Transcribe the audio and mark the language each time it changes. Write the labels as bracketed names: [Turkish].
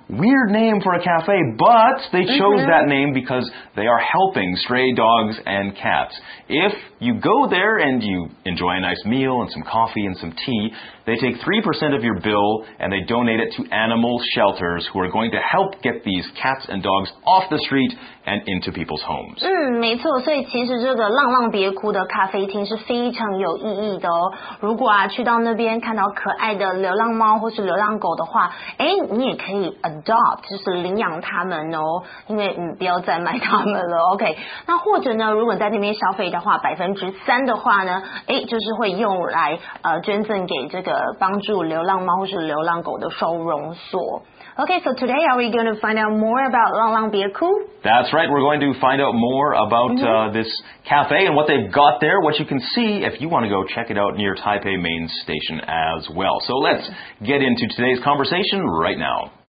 [English] Weird name for a cafe, but they chose that name because they are helping stray dogs and cats. If you go there and you enjoy a nice meal and some coffee and some tea, they take 3% of your bill and they donate it to animal shelters who are going to help get these cats and dogs off the street and into people's homes. [Chinese] 没错，所以其实这个浪浪别哭的咖啡厅是非常有意义的哦。如果啊去到那边看到可爱的流浪猫或是流浪狗的话，哎，你也可以 adopt， 就是领养它们哦，因为不要再卖它们了。 OK， 那或者呢，如果在那边消费的话，3%的话呢，哎，就是会用来捐赠给这个帮助流浪猫或是流浪狗的收容所。 [English] Okay, so today are we going to find out more about 浪浪别哭? That's right, we're going to find out more about this cafe and what they've got there, what you can see if you want to go check it out near Taipei Main Station as well. So let's get into today's conversation right now.